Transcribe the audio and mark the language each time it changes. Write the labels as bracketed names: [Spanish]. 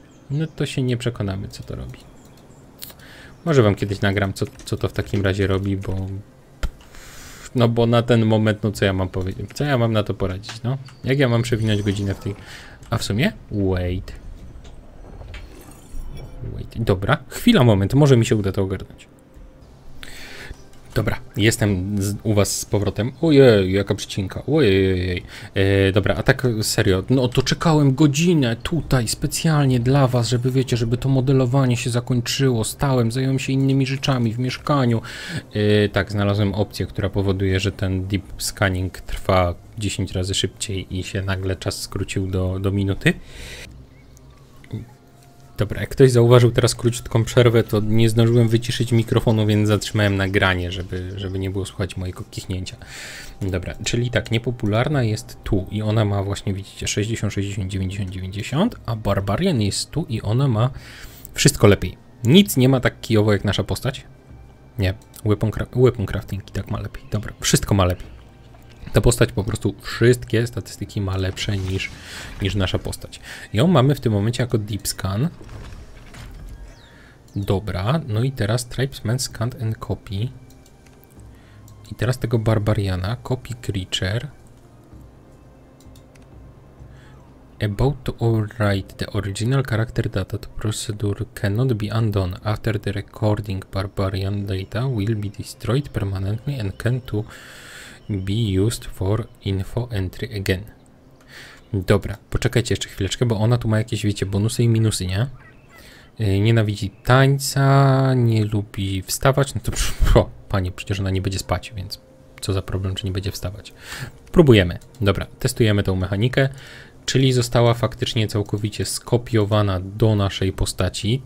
[Polish] No to się nie przekonamy, co to robi. Może wam kiedyś nagram, co to w takim razie robi, bo... No bo na ten moment, no co ja mam powiedzieć? Co ja mam na to poradzić, no? Jak ja mam przewinąć godzinę w tej... A w sumie? Wait. Dobra. Chwila, moment. Może mi się uda to ogarnąć. Dobra, jestem u was z powrotem. Ojej, jaka przycinka. Ojej. Dobra, a tak serio. No to czekałem godzinę tutaj specjalnie dla was, żeby wiecie, żeby to modelowanie się zakończyło. Stałem, zająłem się innymi rzeczami w mieszkaniu. Tak, znalazłem opcję, która powoduje, że ten deep scanning trwa 10 razy szybciej i się nagle czas skrócił do minuty. Dobra, jak ktoś zauważył teraz króciutką przerwę, to nie zdążyłem wyciszyć mikrofonu, więc zatrzymałem nagranie, żeby nie było słychać mojego kichnięcia. Dobra, czyli tak, niepopularna jest tu i ona ma właśnie, widzicie, 60, 60, 90, 90, a barbarian jest tu i ona ma wszystko lepiej. Nic nie ma tak kijowo jak nasza postać. Nie, weapon crafting i tak ma lepiej. Dobra, wszystko ma lepiej. Ta postać po prostu wszystkie statystyki ma lepsze niż nasza postać. Ją mamy w tym momencie jako deep scan. Dobra, no i teraz [English] tribesman scanned and copy. [Polish] I teraz tego barbariana, [English] copy creature. About to write the original character data, the procedure cannot be undone. After the recording, barbarian data will be destroyed permanently and can to be used for info entry again. [Polish] Dobra, poczekajcie jeszcze chwileczkę, bo ona tu ma jakieś, wiecie, bonusy i minusy, nie? Nienawidzi tańca, nie lubi wstawać, no to panie, przecież ona nie będzie spać, więc co za problem, czy nie będzie wstawać. Próbujemy. Dobra, testujemy tą mechanikę, czyli została faktycznie całkowicie skopiowana do naszej postaci.